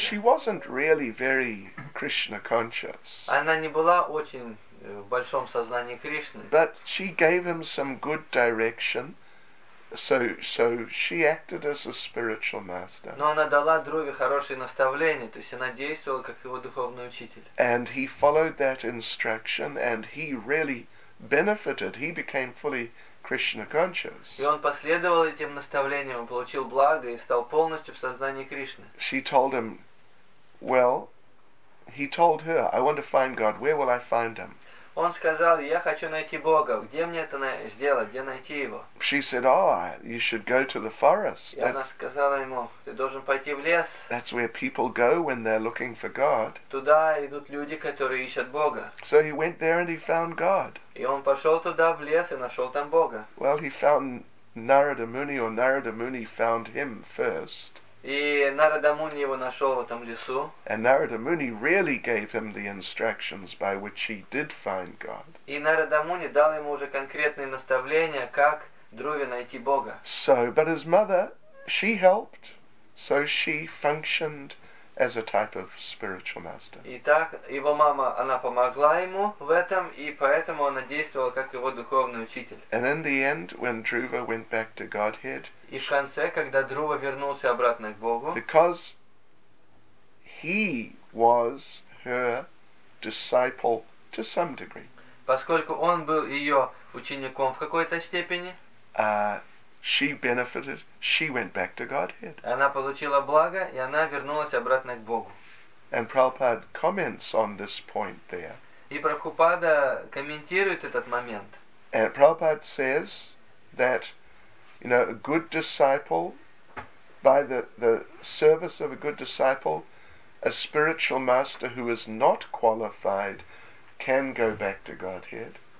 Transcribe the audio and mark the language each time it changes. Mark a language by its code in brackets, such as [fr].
[en] She wasn't really very Krishna conscious. [ru] Она не была очень в большом сознании Кришны. [en] But she gave him some good direction. So she acted as a spiritual master. [ru] Но она дала Друве хорошее наставление, то есть она действовала как его духовный учитель. [en] And he followed that instruction, and he really benefited. He became fully Krishna conscious. [ru] И он последовал этим наставлениям, получил благо и стал полностью в сознании Кришны. [en] She told him, well, he told her, I want to find God. Where will I find him? [ru] Он сказал, я хочу найти Бога. Где мне это сделать? Где найти его? [en] She said, oh, you should go to the forest. [ru] И она сказала ему, ты должен пойти в лес. [en] That's where people go when they're looking for God. [ru] Туда идут люди, которые ищут Бога. [en] So he went there and he found God. [ru] И он пошел туда в лес и нашел там Бога. [en] Well, he found Narada Muni, or Narada Muni found him first. [ru] И Нарада Муни его нашел в этом лесу. [en] And Narada Muni really gave him the instructions by which he did find God. [ru] И Нарада Муни дал ему уже конкретные наставления, как Друве найти Бога. [en] So, but his mother, she helped, so she functioned as a type of spiritual master. [ru] Итак, его мама, она помогла ему в этом, и поэтому она действовала как его духовный учитель. [en] And in the end, when Dhruva went back to Godhead, [ru] и в конце, когда Друва вернулся обратно к Богу, [en] because he was her disciple to some degree, [ru] поскольку он был ее учеником в какой-то степени, [en] she benefited, she went back to Godhead. [ru] Она получила благо, и она вернулась обратно к Богу. [en] And Prabhupada comments on this point there. [ru] И Прабхупада комментирует этот момент. [en] And Prabhupada says that, you know, a good disciple, by the service of a good disciple, a spiritual master who is not qualified can go back to Godhead.